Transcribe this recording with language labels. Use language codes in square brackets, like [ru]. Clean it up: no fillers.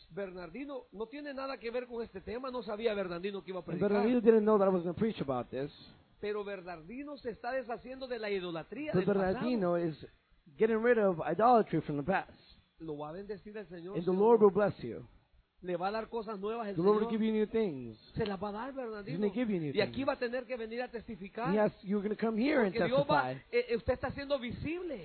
[es] Bernardino no tiene nada que ver con este tema. No sabía Bernardino que iba a predicar. [en] Bernardino didn't know that I was going to preach about this. [es] Pero Bernardino se está deshaciendo de la idolatría. [en] But Bernardino is getting rid of idolatry from the past. [es] Lo va a bendecir el Señor. [en] And the Lord will bless you. [es] Le va a dar cosas nuevas el [en] the [es] Señor. [en] The Lord will give you new things. [es] Se las va a dar Bernardino. [en] He's going to give you new things. [es] Y aquí va a tener que venir a testificar. [en] Yes, you're going to come here [es] porque [en] and testify. [es] Dios va, usted está siendo visible.